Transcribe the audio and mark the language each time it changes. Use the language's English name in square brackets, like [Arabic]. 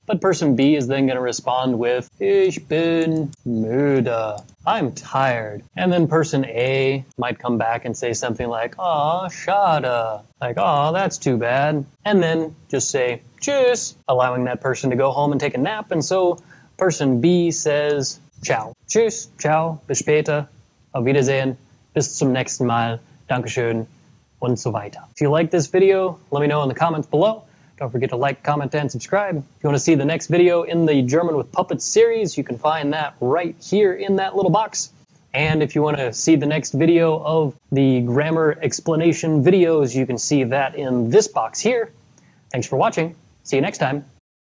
[English] But person B is then going to respond with [German] ich bin müde, [English] I'm tired. And then person A might come back and say something like aw, [German] schade, [English] like aw, that's too bad. And then just say [German] tschüss, [English] allowing that person to go home and take a nap. And so person B says ciao. [German] Tschüss, ciao, bis später, auf Wiedersehen, bis zum nächsten Mal, Dankeschön, und so weiter. [English] If you like this video, let me know in the comments below. Don't forget to like, comment, and subscribe. If you want to see the next video in the German with Puppets series, you can find that right here in that little box. And if you want to see the next video of the grammar explanation videos, you can see that in this box here. Thanks for watching. See you next time.